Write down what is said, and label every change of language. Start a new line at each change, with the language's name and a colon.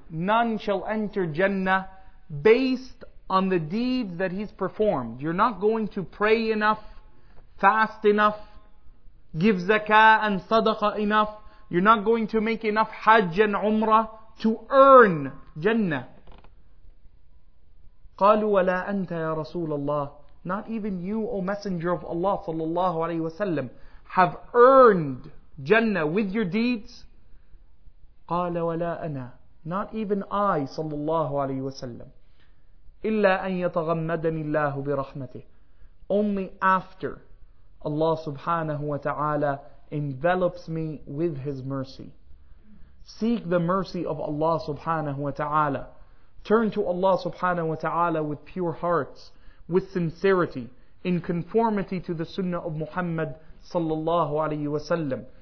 English: None shall enter Jannah based on the deeds that he's performed. You're not going to pray enough, fast enough, give zakah and sadaqah enough. You're not going to make enough hajj and umrah to earn Jannah.
Arabic: قالوا ولا أنت يا رسول الله.
English: Not even you, O Messenger of Allah sallallahu alayhi wasallam, have earned Jannah with your deeds.
Arabic: قال ولا أنا.
English: Not even I sallallahu alayhi wasallam.
Arabic: إلا أن يتغمدني الله برحمته.
English: Only after Allah subhanahu wa ta'ala envelops me with His mercy. Seek the mercy of Allah subhanahu wa ta'ala. Turn to Allah subhanahu wa ta'ala with pure hearts, with sincerity, in conformity to the sunnah of Muhammad sallallahu alayhi wasallam.